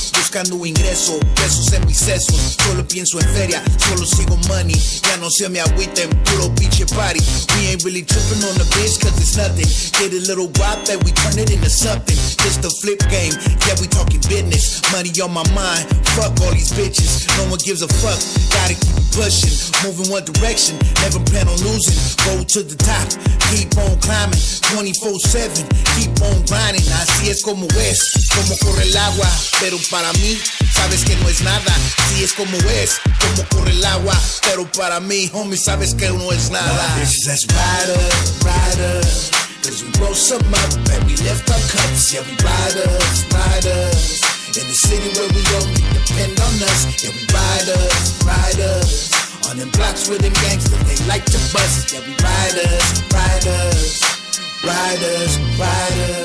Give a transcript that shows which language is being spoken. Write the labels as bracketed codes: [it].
[es] Buscando ingreso, pesos en mis sesos. Solo pienso en feria, solo sigo money. Ya no se me agüiten, puro pinche party. [en] We ain't really tripping on the bitch, cause it's nothing. Get a little wop that we turn it into something. Just a flip game, yeah, we talking business. Money on my mind, fuck all these bitches. No one gives a fuck, gotta keep pushing. Moving one direction, never plan on losing. Go to the top, keep on climbing. 24-7. Keep on grinding, [es] así es como es. Como corre el agua, pero para mí, sabes que no es nada. Así es como es, como corre el agua, pero para mí, homie, sabes que no es nada. [en] My bitches, that's riders, cause we roll some up and we lift our cups. Yeah, we riders. In the city where we only depend on us. Yeah, we riders. On them blocks where them gangs that they like to bust. Yeah, we riders. Riders, riders.